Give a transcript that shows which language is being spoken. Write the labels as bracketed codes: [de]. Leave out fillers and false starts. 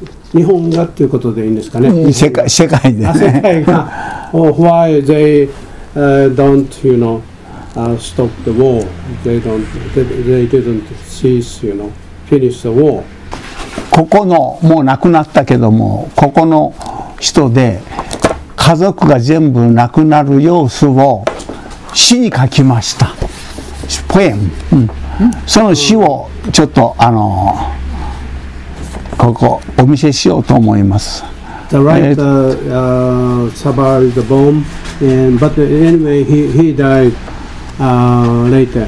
[ja] 日本がっていうことでいいんですかね。世界でね。世界が、 [en] oh, why they don't you know stop the war? They didn't cease you know finish the war. [ja] ここのもう亡くなったけどもここの人で家族が全部亡くなる様子を詩に書きました。ポエム。その詩をちょっとここお見せしようと思います。 [en] The writer survived the bomb, and but anyway, he died later.